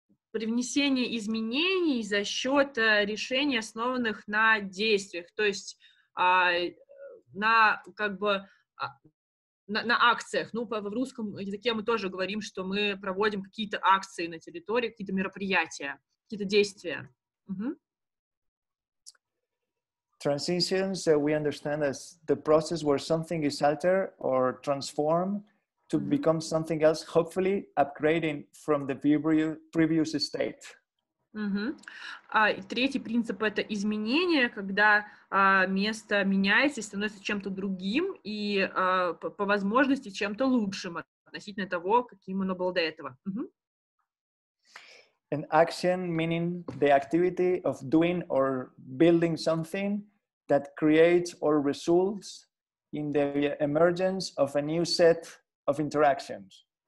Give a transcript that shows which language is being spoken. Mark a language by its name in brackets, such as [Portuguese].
[Russian] при внесении изменений за счет решений, основанных на действиях, то есть на акциях. Ну, в русском языке мы тоже говорим, что мы проводим какие-то акции на территории, какие-то мероприятия, какие-то действия. Угу. [English] Transitions we understand as the process where something is altered or transformed to become something else, hopefully upgrading from the previous state. [Russian] И третий принцип — это изменение, когда место меняется и становится чем-то другим и по возможности чем-то лучшим относительно того, каким оно было до этого. [English] An action meaning the activity of doing or building something that creates or results in the emergence of a new set of interactions.